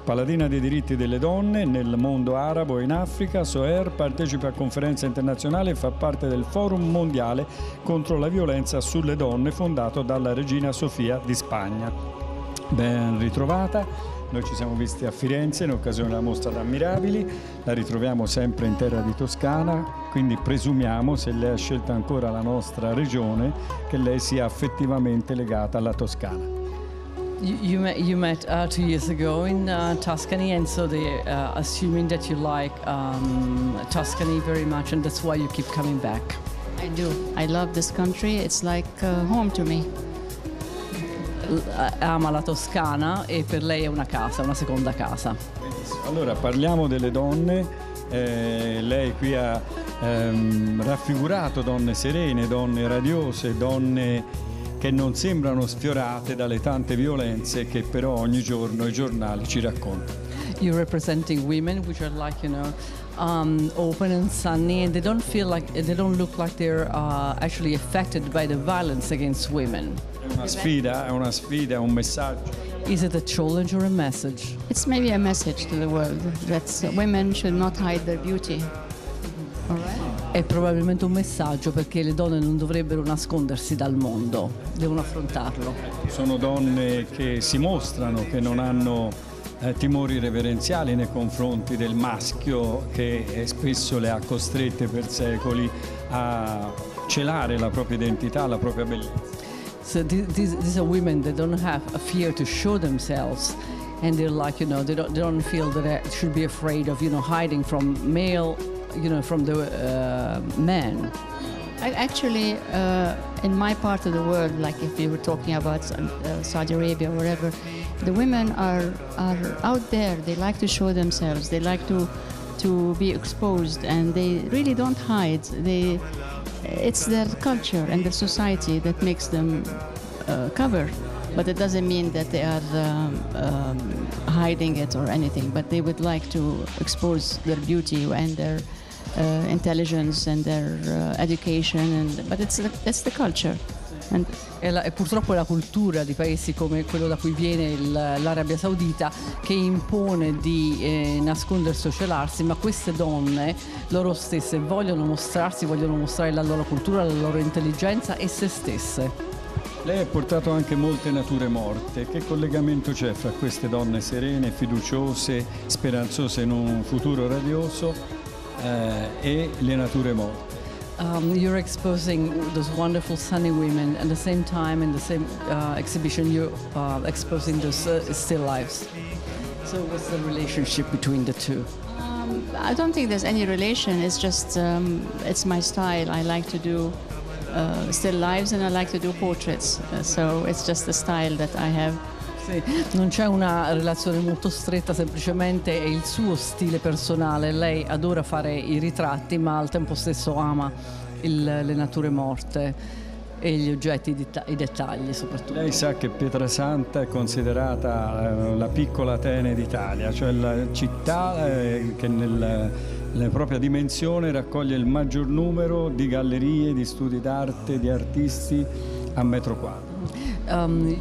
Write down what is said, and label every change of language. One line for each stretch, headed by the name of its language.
Italian: Paladina dei diritti delle donne nel mondo arabo e in Africa, Soher partecipa a conferenze internazionali e fa parte del Forum Mondiale contro la violenza sulle donne, fondato dalla Regina Sofia di Spagna. Ben ritrovata, noi ci siamo visti a Firenze in occasione della mostra d'Ammirabili, la ritroviamo sempre in terra di Toscana, quindi presumiamo, se lei ha scelto ancora la nostra regione, che lei sia effettivamente legata alla Toscana.
English: You met 2 years ago in Tuscany, and so they're assuming that you like Tuscany very much, and that's why you keep coming back. I do. I love this country. It's like home to me.
Italian: Ama la Toscana e per lei è una casa, una seconda casa. Allora parliamo delle donne. Lei qui ha raffigurato donne serene, donne radiose, donne che non sembrano sfiorate dalle tante violenze che però ogni giorno i giornali ci raccontano.
English: You're representing women which are like, you know, open and sunny, and they don't feel like, they don't look like they're actually affected by the violence against women.
Italian: È una sfida, un messaggio.
English: Is it a challenge or a message? It's maybe a message to the world that women should not hide their beauty.
Italian: È probabilmente un messaggio perché le donne non dovrebbero nascondersi dal mondo, devono affrontarlo. Sono donne che si mostrano, che non hanno timori reverenziali nei confronti del maschio che spesso le ha costrette per secoli a celare la propria identità, la propria bellezza.
English: So these are women that don't have a fear to show themselves. And they're like, you know, they don't feel that they should be afraid of, you know, hiding from male, you know, from the men. Actually, in my part of the world, like if you were talking about Saudi Arabia or wherever, the women are out there. They like to show themselves. They like to be exposed, and they really don't hide. It's their culture and their society that makes them cover. But it doesn't mean that they are hiding it or anything, but they would like to expose their beauty and their intelligence and their education. But it's the culture.
Italian: And è purtroppo la cultura di paesi come quello da cui viene l'Arabia Saudita che impone di nascondersi o celarsi, ma queste donne loro stesse vogliono mostrarsi, vogliono mostrare la loro cultura, la loro intelligenza e se stesse. Lei ha portato anche molte nature morte. Che collegamento c'è fra queste donne serene, fiduciose, speranzose in un futuro radioso e le nature morte?
English: You're exposing those wonderful sunny women at the same time in the same exhibition you're exposing those still lives. So what's the relationship between the two? I don't think there's any relation. It's just it's my style. I like to do still lives and I like to do portraits, so it's just the style that I have.
Italian: Sì, non c'è una relazione molto stretta, semplicemente è il suo stile personale. Lei adora fare i ritratti, ma al tempo stesso ama le nature morte e gli oggetti, i dettagli soprattutto. Lei sa che Pietrasanta è considerata la piccola Atene d'Italia, cioè la città che nella propria dimensione raccoglie il maggior numero di gallerie, di studi d'arte, di artisti a metro quadro.